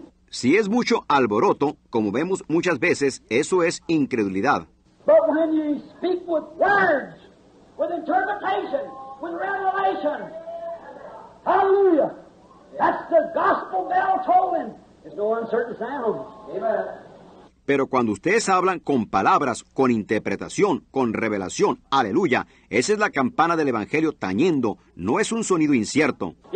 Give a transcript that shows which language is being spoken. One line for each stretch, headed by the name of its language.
Spanish: Si es mucho alboroto, como vemos muchas veces, eso es incredulidad.
English: But when you speak with words, with interpretation, with revelation, hallelujah, that's the gospel bell tolling. It's no uncertain sound. Amen.
Spanish: Pero cuando ustedes hablan con palabras, con interpretación, con revelación, aleluya, esa es la campana del Evangelio tañendo, no es un sonido incierto.